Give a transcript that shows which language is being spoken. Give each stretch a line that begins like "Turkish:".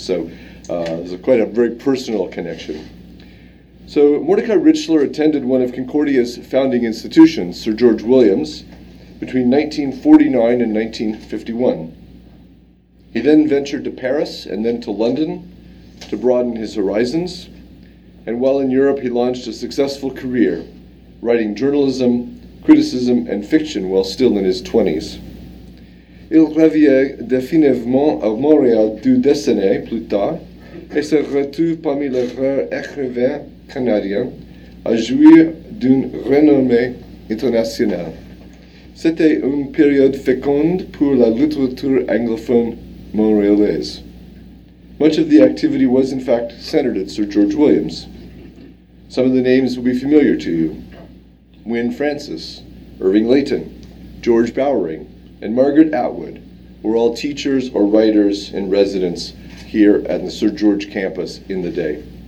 English: So there's quite a very personal connection. So Mordecai Richler attended one of Concordia's founding institutions, Sir George Williams, between 1949 and 1951. He then ventured to Paris and then to London to broaden his horizons. And while in Europe, he launched a successful career writing journalism, criticism, and fiction while still in his 20s.
French: Il revient définitivement à Montréal deux décennies plus tard et se retrouve parmi les rares écrivains canadiens à jouir d'une renommée internationale. C'était une période féconde pour la littérature anglophone montréalaise.
English: Much of the activity was, in fact, centered at Sir George Williams. Some of the names will be familiar to you. Wynne Francis, Irving Layton, George Bowering, and Margaret Atwood were all teachers or writers in residence here at the Sir George campus in the day.